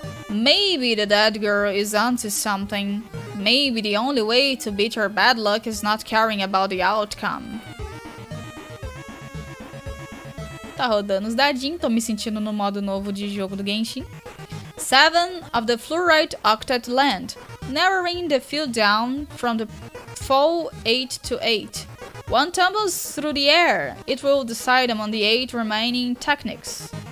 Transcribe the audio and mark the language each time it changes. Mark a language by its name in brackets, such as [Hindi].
[English] Maybe the dead girl is onto something. Maybe the only way to beat her bad luck is not caring about the outcome. [Portuguese] Tá rodando os dadinhos, tô me sentindo no modo novo de jogo do Genshin. [English] Seven of the fluorite octet land, narrowing the field down from the full 8 to 8. One tumbles through the air, it will decide among the 8 remaining techniques.